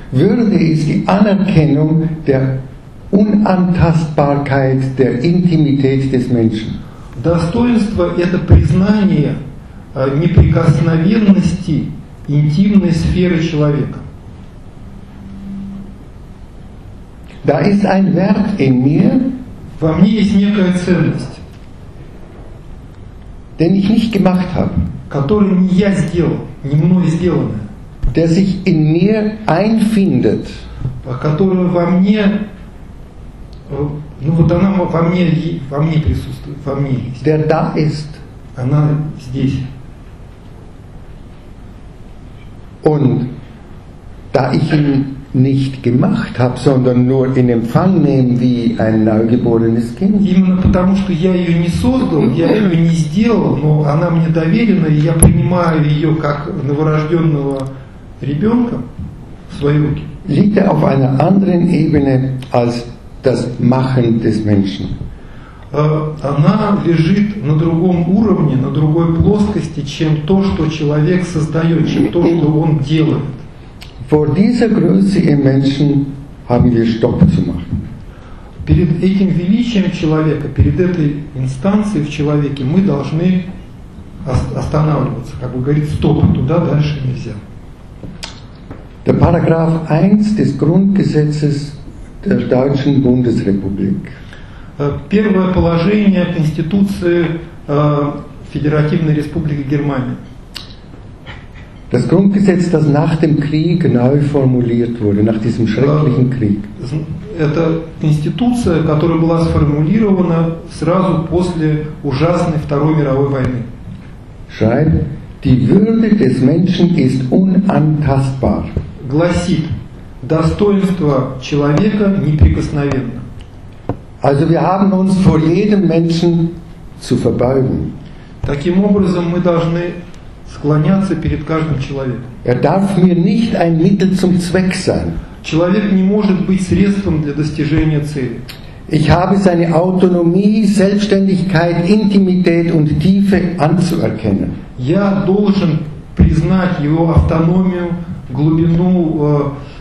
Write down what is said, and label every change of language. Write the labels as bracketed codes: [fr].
[de] Würde ist die Anerkennung der Unantastbarkeit, der Intimität des Menschen. [ru] Достоинство – это признание неприкосновенности интимной сферы человека. [de] Da ist ein Wert in mir, [ru] во мне есть некая ценность, [de] den ich nicht gemacht habe, [ru] которую не я сделал, не мной сделанная, [de] der sich in mir einfindet, [ru] которая во мне, ну вот она во мне присутствует, во мне есть, [de] der da ist, [ru] она здесь. [de] Und da ich ihn nicht gemacht habe, sondern nur in Empfang nehmen wie ein neugeborenes Kind. [ru] Именно потому, что я ее не создал, я ее не сделал, но она мне доверена, и я принимаю ее как новорожденного ребенка в свои руки. [de] Liegt auf einer anderen Ebene als das Machen des Menschen. [ru] Она лежит на другом уровне, на другой плоскости, чем то, что человек создает, чем то, что он делает. [de] Vor dieser Größe im Menschen haben wir Stopp zu machen. [ru] Перед этим величием человека, перед этой инстанцией в человеке, мы должны останавливаться, как бы говорить, стоп, туда дальше нельзя. [de] Der Paragraph 1 des Grundgesetzes der Deutschen Bundesrepublik. [ru] Первое положение Конституции Федеративной Республики Германии. [de] Das Grundgesetz, das nach dem Krieg neu formuliert wurde, nach diesem schrecklichen Krieg. [ru] Это конституция, которая была сформулирована сразу после ужасной Второй мировой войны. [de] Schreibt, die Würde des Menschen ist unantastbar. [ru] Гласит, достоинство человека неприкосновенно. [de] Also wir haben uns vor jedem Menschen zu verbeugen. [ru] Таким образом, мы должны склоняться перед каждым человеком. [de] Er darf mir nicht ein Mittel zum Zweck sein. [ru] Человек не может быть средством для достижения цели. [de] Ich habe seine Autonomie, Selbstständigkeit, Intimität und Tiefe anzuerkennen. [ru] Я должен признать его автономию, глубину